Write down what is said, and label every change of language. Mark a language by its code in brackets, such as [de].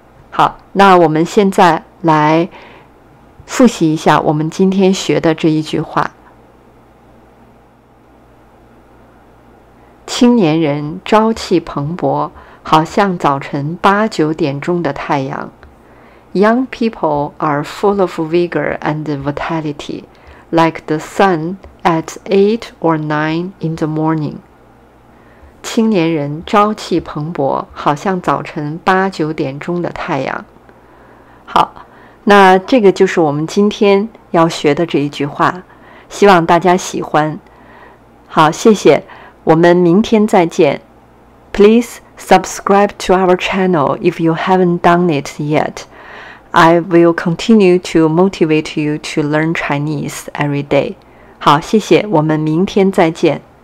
[zh] 好，那我们现在来复习一下我们今天学的这一句话。青年人朝气蓬勃，好像早晨八九点钟的太阳。 [en] Young people are full of vigor and vitality, like the sun at 8 or 9 in the morning. [zh] 青年人朝气蓬勃，好像早晨八九点钟的太阳。好，那这个就是我们今天要学的这一句话，希望大家喜欢。好，谢谢，我们明天再见。 [en] Please subscribe to our channel if you haven't done it yet. I will continue to motivate you to learn Chinese every day. [zh] 好，谢谢，我们明天再见。